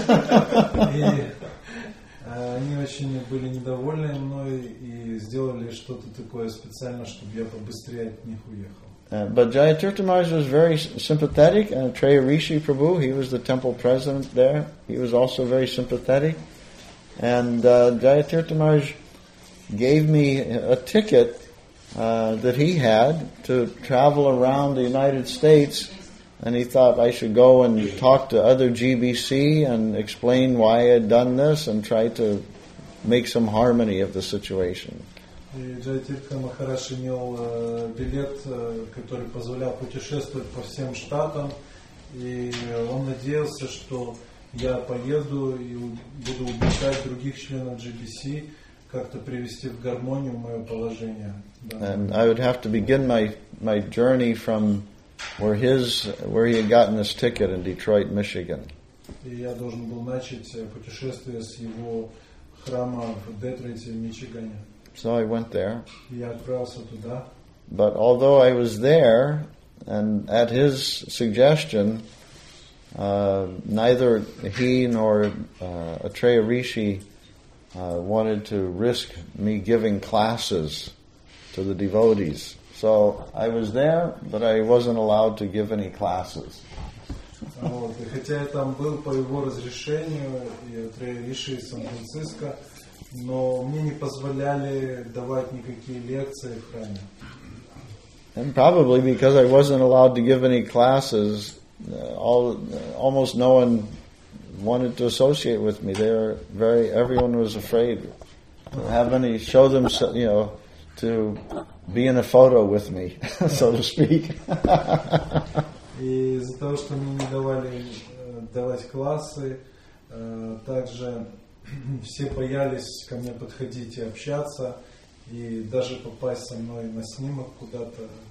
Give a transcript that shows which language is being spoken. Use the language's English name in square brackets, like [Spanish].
[Russian] Они очень были недовольны мной и сделали что-то такое специально, чтобы я побыстрее от них уехал. [English] But Jayatirtha Maharaj was very sympathetic, and Atreya Rishi Prabhu, he was the temple president there, he was also very sympathetic. And Jayatirtha Maharaj gave me a ticket that he had to travel around the United States, and he thought I should go and talk to other GBC and explain why I had done this and try to make some harmony of the situation. [Russian] И Джайтиртха Махарадж имел билет, который позволял путешествовать по всем штатам, и он надеялся, что я поеду и буду убеждать других членов GBC как-то привести в гармонию мое положение. [English] And I would have to begin my journey from where he had gotten this ticket in Detroit, Michigan. [Russian] И я должен был начать путешествие с его храма в Детройте, Мичигане. [English] So I went there. [Russian] И я отправился туда. [English] But although I was there, and at his suggestion, neither he nor Atreya Rishi wanted to risk me giving classes to the devotees. So I was there, but I wasn't allowed to give any classes. [Russian] Вот. И хотя я там был по его разрешению, и Рейши из Сан-Франциско, но мне не позволяли давать никакие лекции в храме. [English] And probably because I wasn't allowed to give any classes, almost no one wanted to associate with me. They were very, everyone was afraid to have any, show themselves, you know, to be in a photo with me, so to speak. [Russian] Из-за того, что мне не давали давать классы, также все боялись ко мне подходить и общаться, и даже попасть со мной на снимок куда-то.